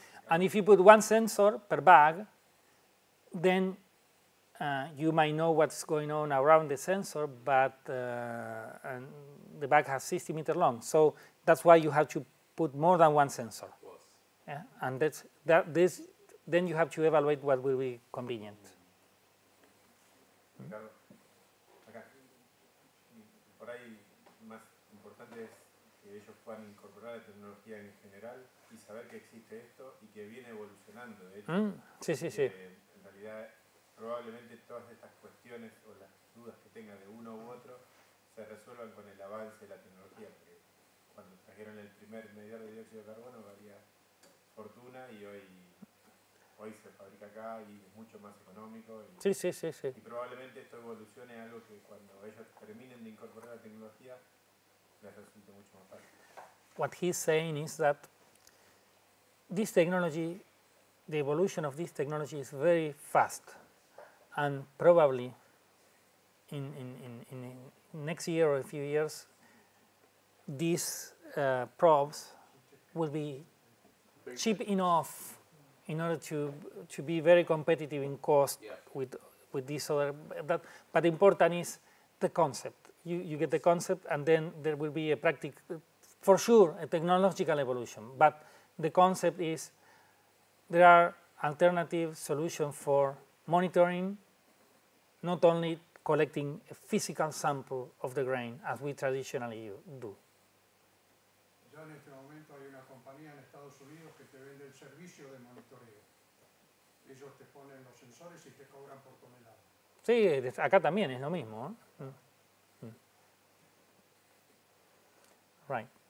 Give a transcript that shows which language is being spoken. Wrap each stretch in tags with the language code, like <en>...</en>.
<en>And if you put one sensor per bag, then you might know what's going on around the sensor, but and the bag has 60 meters long. So that's why you have to put more than one sensor. Yeah? And this. Then you have to evaluate what will be convenient.</en> <es>Ricardo, acá. Por ahí, más importante es que ellos puedan incorporar la tecnología en general y saber que existe esto y que viene evolucionando. De hecho, sí, sí, sí. En realidad, probablemente todas estas cuestiones o las dudas que tenga de uno u otro se resuelvan con el avance de la tecnología. Porque cuando trajeron el primer medidor de dióxido de carbono, valía fortuna y hoy. Hoy se fabrica acá y es mucho más económico. Y, sí, sí, sí, sí. Y probablemente esto evolucione a algo que cuando ellos terminen de incorporar la tecnología les resulte mucho más fácil.</es> <en>What he's saying is that this technology, the evolution of this technology is very fast. And probably in next year or a few years, these probes will be cheap enough in order to be very competitive in cost, yes. with this other, that, but important is the concept. You get the concept, and then there will be a practical, for sure, a technological evolution. But the concept is there are alternative solutions for monitoring, not only collecting a physical sample of the grain, as we traditionally do.</en> <es>En este momento hay una compañía en Estados Unidos que te vende el servicio de monitoreo. Ellos te ponen los sensores y te cobran por tonelada. Sí, acá también es lo mismo.</es> <en>Right.</en>